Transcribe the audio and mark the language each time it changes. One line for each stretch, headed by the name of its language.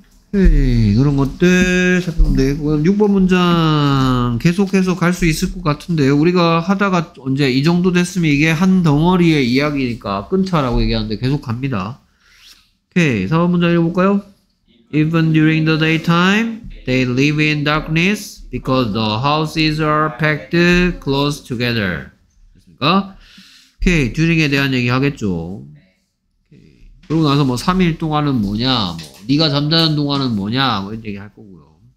Korean: 그런 것들 살펴보면 되고, 6번 문장 계속해서 갈 수 있을 것 같은데요. 우리가 하다가 언제 이 정도 됐으면 이게 한 덩어리의 이야기니까 끊자라고 얘기하는데 계속 갑니다. 오케이, 4번 문장 읽어볼까요?
English: Even during the daytime, they live in darkness because the houses are packed close together.
Korean: 됐습니까? 오케이, during에 대한 얘기 하겠죠. 그러고 나서 뭐 3일 동안은 뭐냐, 뭐 네가 잠자는 동안은 뭐냐, 뭐 이런 얘기 할 거고요.